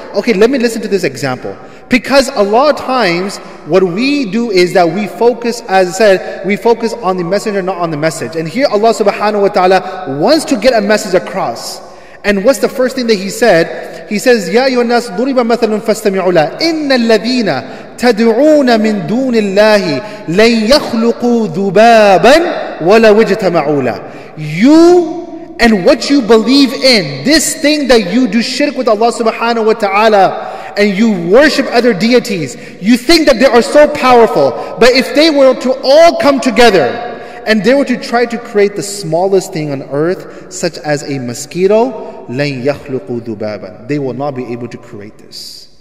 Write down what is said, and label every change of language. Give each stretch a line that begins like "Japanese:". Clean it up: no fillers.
English: Okay, let me listen to this example. Because a lot of times, what we do is that we focus, as I said, we focus on the messenger, not on the message. And here Allah subhanahu wa ta'ala wants to get a message across. And what's the first thing that He said? He says,
Arabic: Ya أَيُّهَا النَّاسِ ضُرِبَ مَثَلٌ فَاسْتَمِعُوا لَهُ. إِنَّ الَّذِينَ تدعون من دون الله لن يخلقوا ذبابا ولا اجتمعوا له.
English: You and what you believe in, this thing that you do shirk with Allah subhanahu wa ta'ala and you worship other deities, you think that they are so powerful, but if they were to all come together and they were to try to create the smallest thing on earth, such as a mosquito,
Arabic: لن يخلقوا ذبابا,
English: they will not be able to create this.